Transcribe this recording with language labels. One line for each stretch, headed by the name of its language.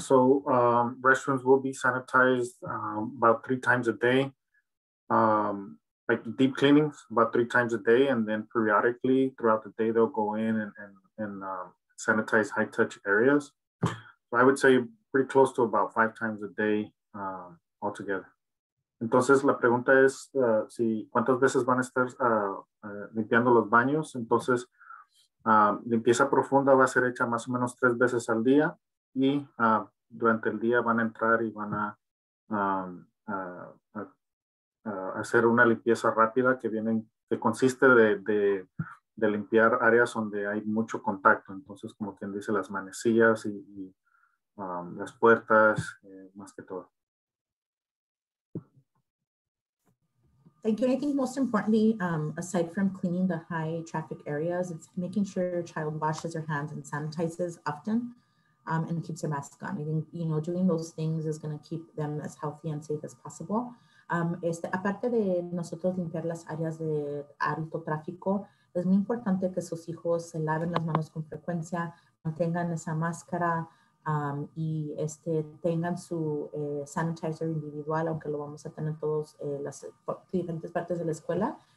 English: So restrooms will be sanitized about 3 times a day. Like deep cleanings about 3 times a day. And then periodically throughout the day, they'll go in and sanitize high touch areas. So I would say pretty close to about 5 times a day altogether.
Spanish: Entonces, la pregunta es si cuántas veces van a estar limpiando los baños. Entonces, limpieza profunda va a ser hecha más o menos 3 veces al día y durante el día van a entrar y van a hacer una limpieza rápida que consiste de de limpiar áreas donde hay mucho contacto. Entonces, como quien dice, las manecillas y las puertas, más que todo.
English: Thank you. I think most importantly, aside from cleaning the high traffic areas, it's making sure your child washes their hands and sanitizes often and keeps their mask on. I think, you know, doing those things is going to keep them as healthy and safe as possible.
Spanish: Aparte de nosotros limpiar las áreas de alto tráfico, es muy importante que sus hijos se laven las manos con frecuencia, mantengan esa máscara y tengan su sanitizer individual, aunque lo vamos a tener todos las diferentes partes de la escuela.